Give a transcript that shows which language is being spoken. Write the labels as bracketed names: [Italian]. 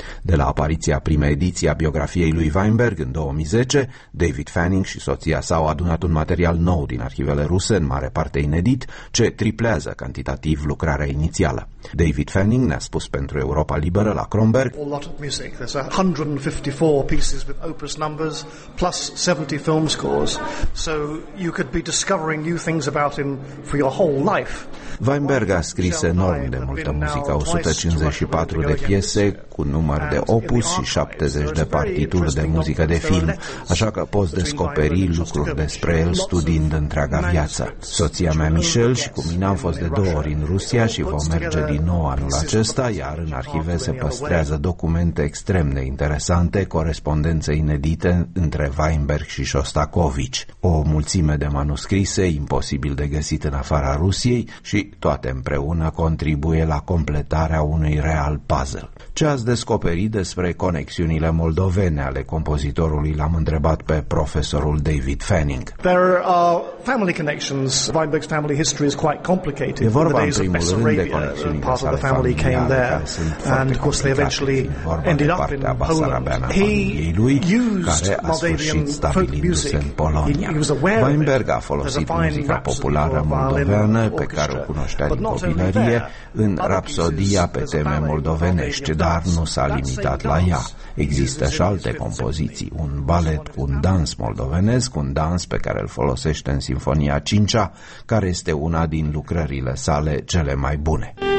[Romanian] De la apariția primei ediții a biografiei lui Weinberg în 2010, David Fanning și soția sa au adunat un material nou din arhivele ruse, în mare parte inedit, ce triplează cantitativ lucrarea inițială. David Fanning ne-a spus pentru Europa Liberă la Kronberg: [English] a lot of music. There's 154 pieces with opus numbers plus 70 film scores. So you could be discovering new things about him for your whole life. [Romanian] Weinberg a scris enorm de multă muzică, 154 de piese cu număr de opus și 70 de partituri de muzică de film, așa că poți descoperi lucruri despre el studiind întreaga viață. Soția mea Michelle și cu mine am fost de două ori în Rusia și vom merge din nou anul acesta, iar în arhive se păstrează documente extrem de interesante, corespondențe inedite între Weinberg și Shostakovich, o mulțime de manuscrise imposibil de găsit în afara Rusiei și toate împreună contribuie la completarea unui real puzzle. Ce ați descoperit despre conexiunile moldovene ale compozitorului, l-am întrebat pe profesorul David Fanning. [English] There are family connections. Weinberg's family history is quite complicated. [Romanian] E vorba în primul rând de conexiunile sale familiale, care sunt foarte complicate. [English] Eventually ended up in Poland. He used Moldavian folk music. [Romanian] Weinberg a folosit muzica populară moldoveană pe care o cunoștea din copilărie în rapsodia pe teme moldovenești, dar nu s-a limitat la ea. Există și alte compoziții, un balet cu un dans moldovenesc, un dans pe care îl folosește în Sinfonia 5-a, care este una din lucrările sale cele mai bune.